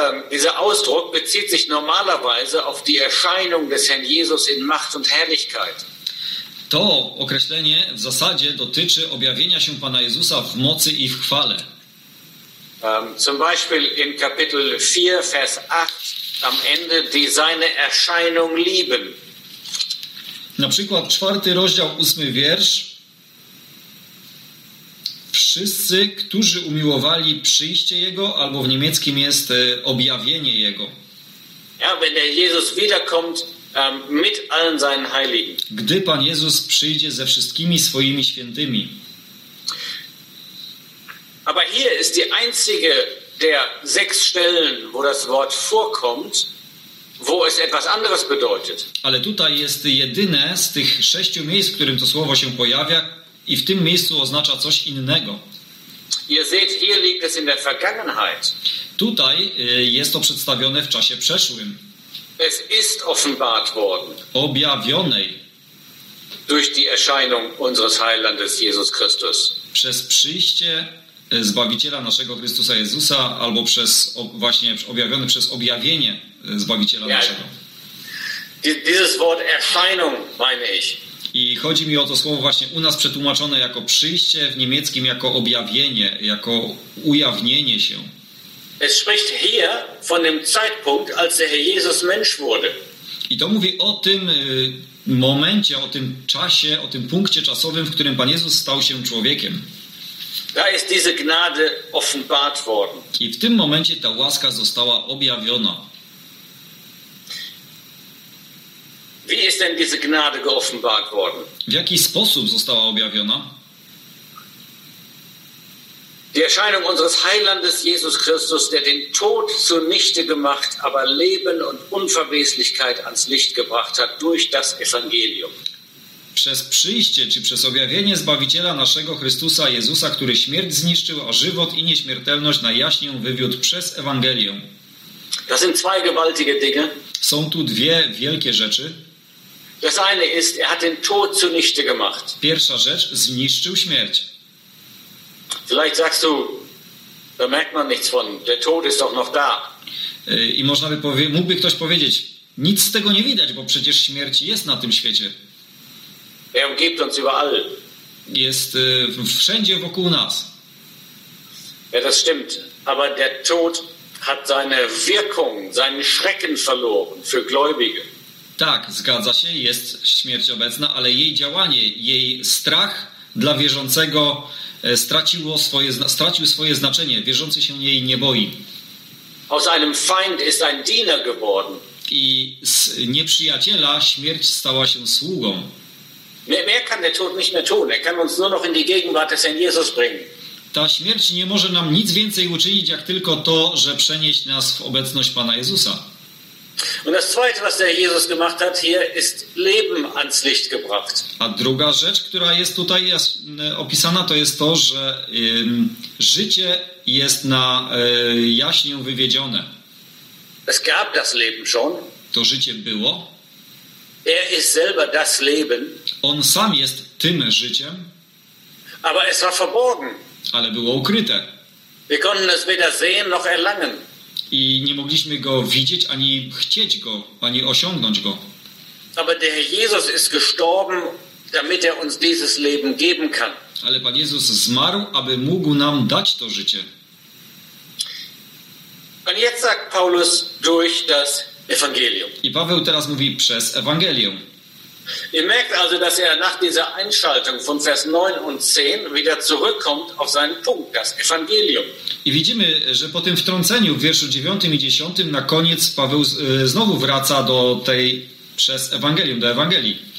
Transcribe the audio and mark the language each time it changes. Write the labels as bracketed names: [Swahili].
[German] Dieser Ausdruck bezieht sich normalerweise auf die Erscheinung des Herrn Jesus in Macht und Herrlichkeit. [Polish] To określenie w zasadzie dotyczy objawienia się Pana Jezusa w mocy i w chwale. [German] Zum Beispiel in Kapitel 4, Vers 8 am Ende, die seine Erscheinung lieben. [Polish] Na przykład 4:8. Wszyscy, którzy umiłowali przyjście Jego, albo w niemieckim jest objawienie Jego. [German] Ja, wenn der Jesus wiederkommt, mit allen seinen Heiligen. [Polish] Gdy Pan Jezus przyjdzie ze wszystkimi swoimi świętymi. [German] Aber hier ist die einzige der 6 Stellen, wo das Wort vorkommt, wo es etwas anderes bedeutet. [Polish] Ale tutaj jest jedyne z tych 6 miejsc, w którym to słowo się pojawia i w tym miejscu oznacza coś innego. [German] Ihr seht, hier liegt es in der Vergangenheit. [Polish] Tutaj jest to przedstawione w czasie przeszłym. [German] Es ist offenbart worden. [Polish] Objawionej. [German] Durch die Erscheinung unseres Heilandes Jesus Christus. [Polish] Przez przyjście Zbawiciela naszego Chrystusa Jezusa albo przez właśnie objawione przez objawienie Zbawiciela naszego. [German] Dieses Wort Erscheinung meine ich. [Polish] I chodzi mi o to słowo właśnie u nas przetłumaczone jako przyjście, w niemieckim jako objawienie, jako ujawnienie się. [German] Es spricht hier von dem Zeitpunkt, als der Herr Jesus Mensch wurde. [Polish] I to mówi o tym momencie, o tym czasie, o tym punkcie czasowym, w którym Pan Jezus stał się człowiekiem. [German] Da ist diese Gnade offenbart worden. [Polish] I w tym momencie ta łaska została objawiona. [German] Wie ist denn diese Gnade geoffenbart worden? [Polish] W jaki sposób została objawiona? [German] Die Erscheinung unseres Heilandes Jesus Christus, der den Tod zunichte gemacht, aber Leben und Unverweslichkeit ans Licht gebracht hat durch das Evangelium. [Polish] Przez przyjście, czy przez objawienie Zbawiciela naszego Chrystusa Jezusa, który śmierć zniszczył, a żywot i nieśmiertelność na jaśnię wywiódł przez Ewangelię. [German] Das sind zwei gewaltige Dinge. [Polish] Są tu dwie wielkie rzeczy. [German] Das eine ist, er hat den Tod zunichte gemacht. [Polish] Pierwsza rzecz, zniszczył śmierć. [German] Vielleicht sagst du, da merkt man nichts von, der Tod ist doch noch da. [Polish] I można by mógłby ktoś powiedzieć, nic z tego nie widać, bo przecież śmierć jest na tym świecie. [German] Er umgibt uns überall. [Polish] Jest wszędzie wokół nas. [German] Ja, das stimmt. Aber der Tod hat seine Wirkung, seinen Schrecken verloren für Gläubige. [Polish] Tak, zgadza się, jest śmierć obecna, ale jej działanie, jej strach dla wierzącego stracił swoje znaczenie. Wierzący się jej nie boi. [German] Aus einem Feind ist ein Diener geworden. [Polish] I z nieprzyjaciela śmierć stała się sługą. [German] Mehr kann der Tod nicht mehr tun. Er kann uns nur noch in die Gegenwart des Herrn Jesus bringen. [Polish] Ta śmierć nie może nam nic więcej uczynić, jak tylko to, że przenieść nas w obecność Pana Jezusa. [German] Und das zweite, was der Jesus gemacht hat hier, ist Leben ans Licht gebracht. [Polish] A druga rzecz, która jest tutaj opisana, to jest to, że życie jest na jaśnię wywiedzione. [German] Es gab das Leben schon. [Polish] To życie było. [German] Er ist selber das Leben. [Polish] On sam jest tym życiem. [German] Aber es war verborgen. [Polish] Ale było ukryte. [German] Wir konnten es weder sehen noch erlangen. [Polish] I nie mogliśmy go widzieć, ani chcieć go, ani osiągnąć go. [German] Aber der Jesus ist gestorben, damit er uns dieses Leben geben kann. [Polish] Ale Pan Jezus zmarł, aby mógł nam dać to życie. [German] Und jetzt sagt Paulus durch das Evangelium. [Polish] I Paweł teraz mówi przez Ewangelię. [German] Ihr merkt also, dass er nach dieser Einschaltung von Vers 9 und 10 wieder zurückkommt auf seinen Punkt, das Evangelium. [Polish] I widzimy, że po tym wtrąceniu w wierszu 9 i 10 na koniec Paweł znowu wraca do tej przez Ewangelium, do Ewangelii.